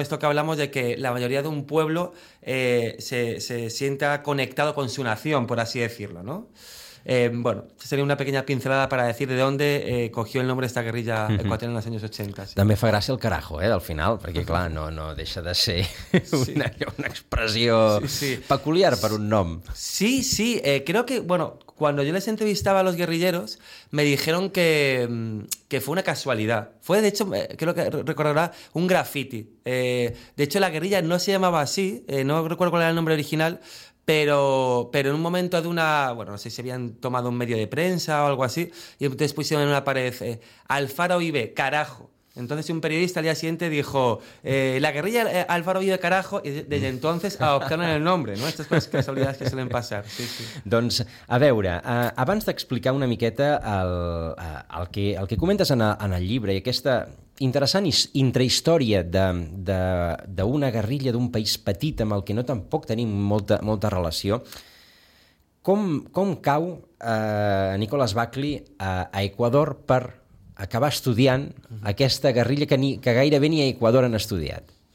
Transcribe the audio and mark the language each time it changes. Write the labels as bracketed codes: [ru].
[es] Esto que hablamos de que la mayoría de un pueblo se sienta conectado con su nación, por así decirlo, ¿no? Bueno, sería una pequeña pincelada para decir de dónde cogió el nombre esta guerrilla ecuatoriana en los años 80. Sí. [ca] També fa gràcia el carajo, al final, perquè, clar, no deixa de ser una expressió peculiar per un nom. [es] Sí, sí, creo que, bueno, cuando yo les entrevistaba a los guerrilleros, me dijeron que fue una casualidad. Fue, de hecho, creo que recordará, un graffiti. De hecho, la guerrilla no se llamaba así, no recuerdo cuál era el nombre original, pero en un momento de una, bueno, no sé si habían tomado un medio de prensa o algo así, y entonces pusieron en una pared, Alfaro vive, carajo. Entonces un periodista al día siguiente dijo, la guerrilla Alfaro vive, carajo, y desde entonces adoptaron el nombre, ¿no? Estas cosas, casualidades que suelen pasar. Sí, sí. [ca] Doncs, a veure, abans d'explicar una miqueta el que comentes en el llibre i aquesta interessant intrahistòria d'una guerrilla d'un país petit amb el que no tampoc tenim molta relació, com cau Nicolás Bacli a Ecuador per acabar estudiant aquesta guerrilla que gairebé ni a Ecuador han estudiat?